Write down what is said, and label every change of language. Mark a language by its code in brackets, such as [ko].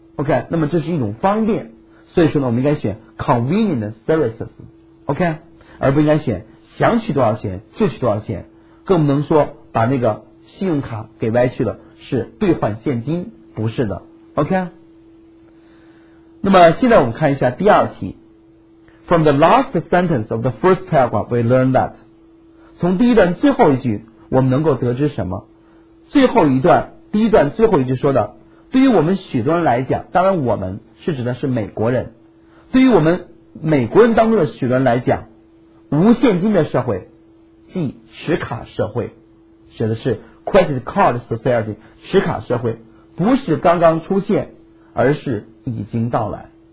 [zh] OK， 那么这是一种方便，所以说呢，我们应该选 convenient services。 OK， 而不应该选想取多少钱就取多少钱，更不能说把那个信用卡给歪去了，是兑换现金，不是的。 OK。那么现在我们看一下第二题。 [en] From the last sentence of the first paragraph, we learn that. [zh] 从第一段最后一句，我们能够得知什么？最后一段，第一段最后一句说的，对于我们许多人来讲，当然我们是指的是美国人。对于我们美国人当中的许多人来讲，无现金的社会，即持卡社会，指的是 credit card society，持卡社会，不是刚刚出现，而是已经到来。